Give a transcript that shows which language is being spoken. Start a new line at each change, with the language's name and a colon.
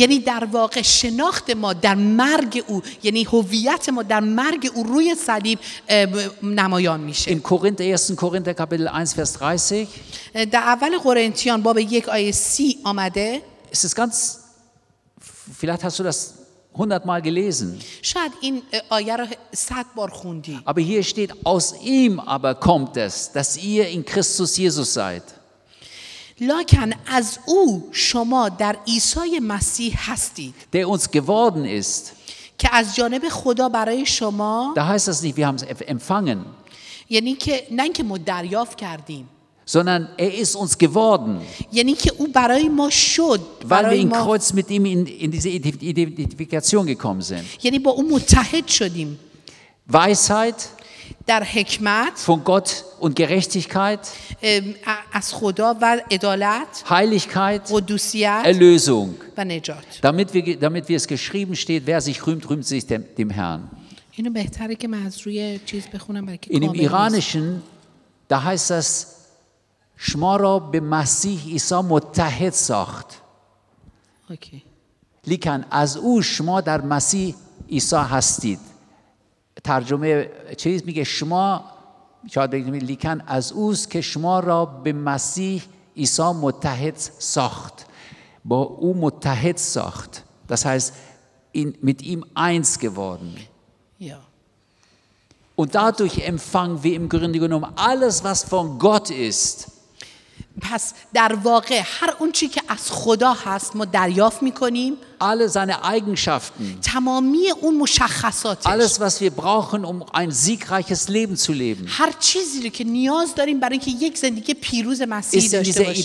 Persian: یعنی در واقع شناخت ما در مرگ او یعنی هویت ما در مرگ او روی صلیب نمایان میشه.
German: In Korinther 1. Korinther Kapitel 1 Vers 30.
Persian: در اول قرنتیان باب 1 آیه 30 آمده.
German: Es ist ganz vielleicht hast du das 100 mal gelesen.
Persian: شاید این آیه رو 100 بار خوندی.
German: Aber hier steht aus ihm aber kommt es, dass ihr in Christus Jesus seid.
Persian: لکن از او شما در عیسی مسیح هستید.
German: Der uns geworden ist.
Persian: که از جانب خدا برای شما.
German: Da heißt es nicht, wir haben es empfangen.
Persian: یعنی که نه که ما دریافت کردیم.
German: Sondern ist uns geworden.
Persian: یعنی که او برای ما شد.
German: Weil wir in Kreuz mit ihm in diese Identifikation gekommen sind.
Persian: یعنی با او متحد شدیم.
German: Weisheit.
Persian: در حکمت
German: von Gott und Gerechtigkeit
Persian: از خدا و عدالت
German: Heiligkeit
Persian: قدوسیت
German: Erlösung
Persian: و نجات
German: damit wie es geschrieben steht wer sich rühmt rühmt sich dem Herrn
Persian: اینو بهتره که من از روی چیز بخونم برای که کامل
German: In dem iranischen da heißt das
Persian: شما را به مسیح عیسی متحد ساخت اوکی لیکن از او شما در مسیح عیسی هستید ترجمه چیز میگه شما شاید بگیم لیکن از اوست که شما را به مسیح عیسی متحد ساخت با او متحد ساخت
German: das heißt in mit ihm eins geworden ja und dadurch empfangen wir im Grunde genommen alles was von Gott ist
Persian: پس در واقع هر اون چی که از خدا هست ما دریافت میکنیم
German: alle seine Eigenschaften
Persian: تمامی اون مشخصاتش
German: alles was wir brauchen um ein siegreiches Leben zu leben
Persian: هر چیزی که نیاز داریم برای اینکه یک زندگی پیروز مسیحی داشته باشیم